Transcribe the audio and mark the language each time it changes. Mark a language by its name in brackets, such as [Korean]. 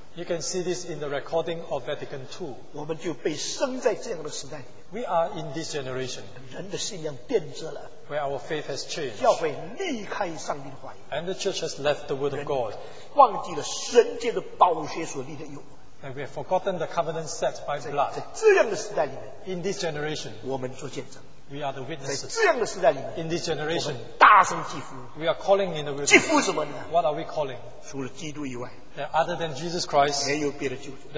[English] You can see this in the recording of Vatican II. [Chinese] 我们就被生在这样的时代里面。 [English] We are in this generation. [Chinese] 人的信仰变质了。 [English] Where our faith has changed. [Chinese] 教会离开上帝的话语。 [English] And the church has left the word of God. [Chinese] 忘记了神界的宝血所立的约。 [English] And we have forgotten the covenant set by blood. [Chinese] 在这样的时代里面, [English] in this generation, [Chinese] 我们做见证, [English] we are the witnesses. [Chinese] 在这样的时代里面, [English] in this generation, [Chinese] 我们大声祈福, [English] we are calling in the wilderness. What are we calling? [Chinese] 除了基督以外, [English] that other than Jesus Christ, [Chinese] 没有别的救主,